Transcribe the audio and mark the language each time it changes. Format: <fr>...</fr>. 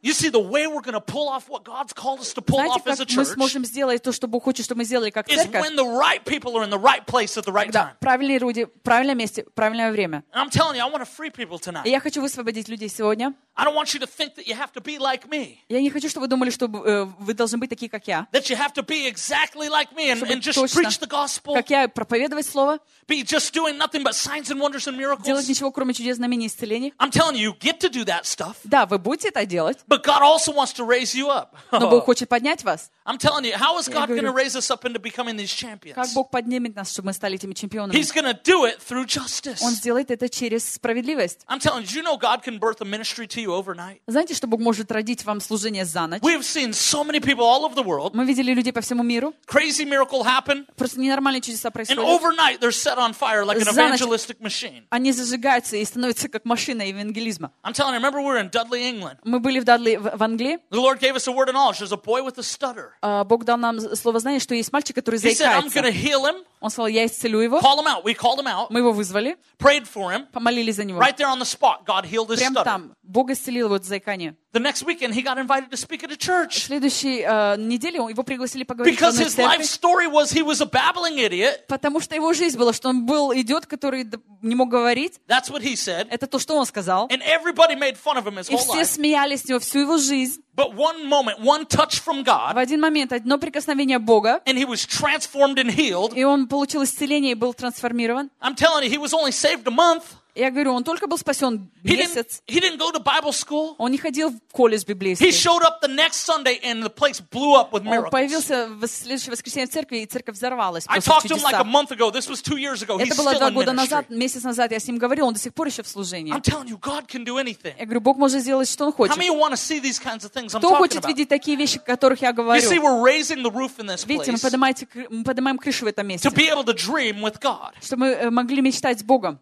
<en>You see, the way we're going to pull off what God's called us to pull</en> <ru>знаете,</ru> <en>off as a church.</en> <ru>Знаете, как мы сможем сделать то, что Бог хочет, чтобы мы сделали как церковь?</ru> <en>Is when the right people are in the right place at the right time.</en> <ru>Правильные люди, в правильном месте, в правильное время.</ru> <en>I'm telling you, I want to free people tonight.</en> <ru>И я хочу высвободить людей сегодня.</ru> <en>I don't want you to think that you have to be like me.</en> <ru>Я не хочу, чтобы вы думали, что вы должны быть такие, как я.</ru> <en>That you have to be exactly like me and just preach the gospel.</en> <ru>Как я, проповедовать слово.</ru> <en>Be just doing nothing but signs and wonders and miracles.</en> <ru>Делать ничего, кроме чудес, знамений и исцелений.</ru> <en>I'm telling you, you get to do that stuff.</en> <ru>Да, вы будете это делать.</ru> <en>But God also wants to raise you up.</en> <ru>Но Бог хочет поднять вас.</ru> <en>I'm telling you, how is God going to raise us up into becoming these champions?</en> <ru>Как Бог поднимет нас, чтобы мы стали этими чемпионами?</ru> <en>He's going to do it through justice.</en> <ru>Он сделает это через справедливость.</ru> <en>I'm telling you, you know God can birth a ministry to you overnight.</en> <ru>Знаете, что Бог может родить вам служение за ночь?</ru> <en>We've seen so many people all over the world.</en> <ru>Мы видели людей по всему миру.</ru> <en>Crazy miracle happen.</en> <ru>Просто ненормальные чудеса происходят.</ru> <en>And overnight they're set on fire like an evangelistic machine.</en> <ru>Они зажигаются и становятся как машина евангелизма.</ru> <en>I'm telling you, remember we were in Dudley, England.</en> <ru>Мы были в Дадли в Англии.</ru> <en>The Lord gave us a word of knowledge. There's a boy with a stutter.</en> <ru>Бог дал нам слово знания, что есть мальчик, который заикается.</ru> <en>He said, "I'm going to heal him."</en> <ru>Он сказал, я исцелю его.</ru> <en>Call him out. We called him out.</en> <ru>Мы его вызвали.</ru> <en>Prayed for him.</en> <ru>Помолились за него.</ru> <en>Right there on the spot, God healed his</en> <ru>Прямо Прямо там Бог исцелил его от заикания.</ru> <en>The next weekend, he got invited to speak at a church.</en> <ru>Следующей неделе его пригласили поговорить.</ru> <en>Because his life story was he was a babbling idiot.</en> <ru>Потому что его жизнь была, что он был идиот, который не мог говорить.</ru> <en>That's what he said.</en> <ru>Это то, что он сказал.</ru> <en>And everybody made fun of him his whole life.</en> <ru>И все смеялись с него всю его жизнь.</ru> <en>But one moment, one touch from God.</en> <ru>В один момент одно прикосновение Бога.</ru> <en>And he was transformed and healed.</en> <ru>И он получил исцеление и был трансформирован.</ru> <en>I'm telling you, he was only saved a month.</en> <ru>Я говорю, он только был спасен месяц.</ru> <en>He didn't go to Bible school.</en> <ru>Он не ходил в колледж библейский.</ru> <en>He showed up the next Sunday and the place blew up with miracles.</en> <ru>Он появился в следующее воскресенье в церкви, и церковь взорвалась просто чудеса.</ru> <en>I talked to him like a month ago. This was 2 years ago.</en> <ru>Это было 2 года назад, месяц назад я с ним говорил, он до сих пор еще в служении.</ru> <en>I'm telling you, God can do anything.</en> <ru>Я говорю, Бог может сделать, что он хочет.</ru> <en>How many want to see these kinds of things I'm talking about?</en> <ru>Кто хочет видеть такие вещи, о которых я говорю?</ru> <en>You see, we're raising the roof in this place.</en> <ru>Видите, мы поднимаем крышу в этом месте.</ru> <en>To be able to dream with God.</en> <ru>Чтобы мы могли мечтать с Богом.</ru>